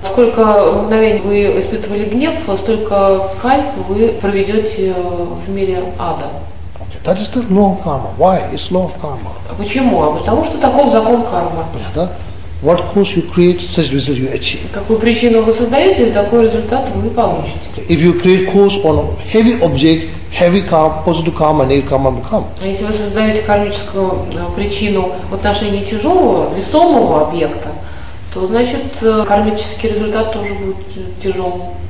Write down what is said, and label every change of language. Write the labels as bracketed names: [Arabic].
[Russian] Сколько мгновений вы испытывали гнев, столько кальп вы проведете в мире ада. [English] That is the law of karma. Why? It's law of karma. [Russian] Почему? А потому что таков закон кармы. Да? [English] What cause you create, such result you achieve. [Russian] Какую причину вы создаете, такой результат вы получите. [English] If you create cause on heavy object, heavy karma, positive karma, negative karma become. [Russian] А если вы создаете кармическую причину в отношении тяжелого, весомого объекта, то значит кармический результат тоже будет тяжелым.